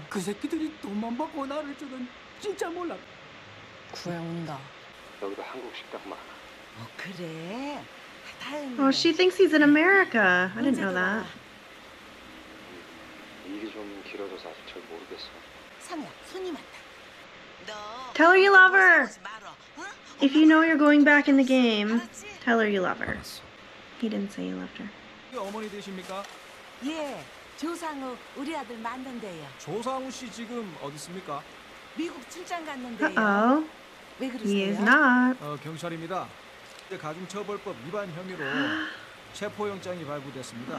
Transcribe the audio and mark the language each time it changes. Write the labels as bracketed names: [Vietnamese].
[Korean] 그 새끼들이 돈만 받고 나를 주던 진짜 몰라 구해온다 여기도 한국 식당 많아 어 그래? [English] Oh, she thinks he's in America. I didn't know that. [Korean] 일이 좀 길어져서 아직 잘 모르겠어. 상우야, 손님 왔다. [English] Tell her you love her. If you know you're going back in the game, tell her you love her. He didn't say he loved her. [Korean] 어머니 되십니까? 예, 조상우 우리 아들 맞는데요. 조상우 씨 지금 어디 있습니까? 미국 출장 갔는데요. [English] Uh-oh. [Korean] 왜 그러세요? [English] He is not. [Korean] 경찰입니다. 가중처벌법 위반 혐의로 체포영장이 발부됐습니다.